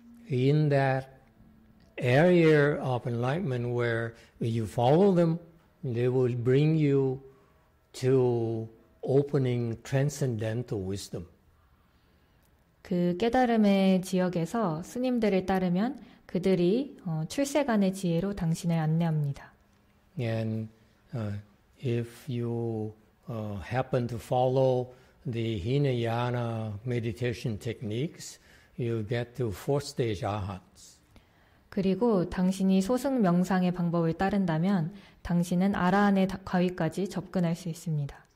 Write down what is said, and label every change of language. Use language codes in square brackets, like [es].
[en] In that area of enlightenment where you follow them, they will bring you to opening transcendental wisdom. [ko] 그 깨달음의 지역에서 스님들을 따르면 그들이 출세간의 지혜로 당신을 안내합니다. [en] And if you happen to follow the Hinayana meditation techniques, you get to fourth stage arhats. [ko] 그리고 당신이 소승 명상의 방법을 따른다면 당신은 아라한의 가위까지 접근할 수 있습니다.